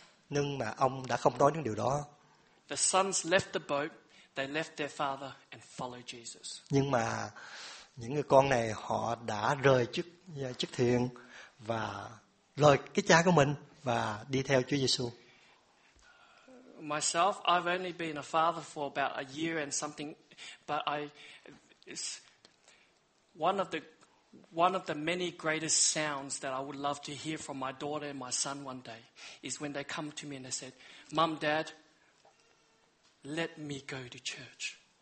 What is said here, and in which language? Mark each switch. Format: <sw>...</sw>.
<vi>Nhưng mà ông đã không nói những điều đó.</vi> <en>The sons left the boat, they left their father and followed Jesus.</en> <vi>Nhưng mà những người con này họ đã rời chức thuyền và rời cái cha của mình và đi theo Chúa Giêsu.</vi> <en>myself, I've only been a father for about a year and something, but it's one of the many greatest sounds that I would love to hear from my daughter and my son one day is when they come to me and they said, "Mom, Dad, let me go to church."</en>